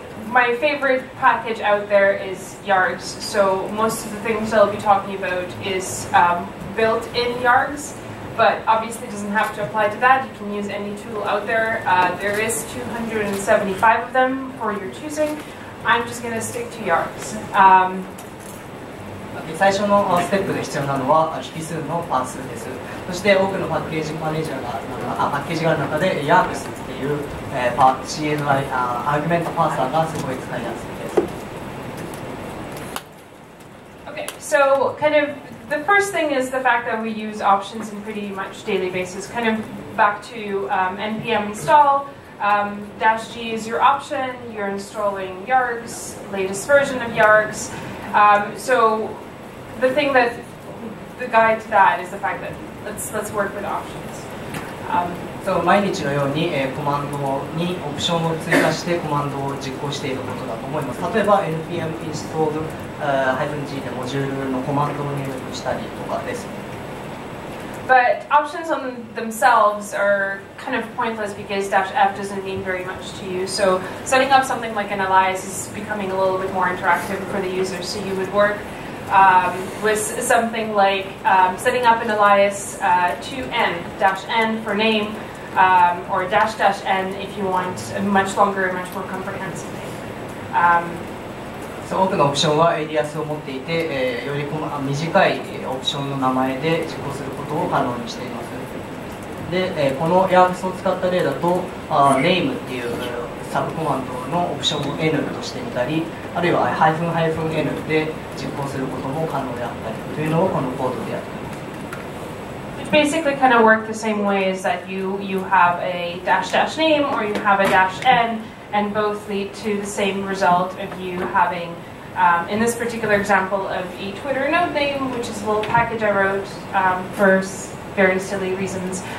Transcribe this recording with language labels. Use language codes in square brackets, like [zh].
[en] My favorite package out there is Yargs, so most of the things I'll be talking about is built in Yargs, but obviously it doesn't have to apply to that. You can use any tool out there. There is 275 of them for your choosing. I'm just going to stick to Yargs. [ja] 最初のステップで必要なのは引数のパースです。そして多くのパッケージマネージャーがパッケージがある中で Yargs っていうCNI、アーグメントパーサーがすごい使いやすいです。 [en] Okay, so kind of the first thing is the fact that we use options in pretty much daily basis. Kind of back to npm install, -g is your option, you're installing Yargs, latest version of Yargs. So the thing that, the guide to that is the fact that let's work with options. [ja] そう毎日のように、コマンドにオプションを追加してコマンドを実行していることだと思います。例えば npm install -g でモジュールのコマンドを入力したりとかです。 [en] But options on themselves are kind of pointless because -f doesn't mean very much to you. So setting up something like an alias is becoming a little bit more interactive for the user. So you would work with something like setting up an alias to -n for name. Or dash dash n if you want a much longer and much more comprehensive name. [ja] So, 多くのオプションは alias を持っていて、より短いオプションの名前で実行することを可能にしています。で、この Yargs を使った例だと、name っていうサブコマンドのオプションを n としてみたり、あるいは -n で実行することも可能であったりというのをこのコードでやっています。 [en] Basically kind of work the same way as that you have a dash dash name or you have a dash n and both lead to the same result of you having in this particular example of a Twitter node name, which is a little package I wrote for very silly reasons.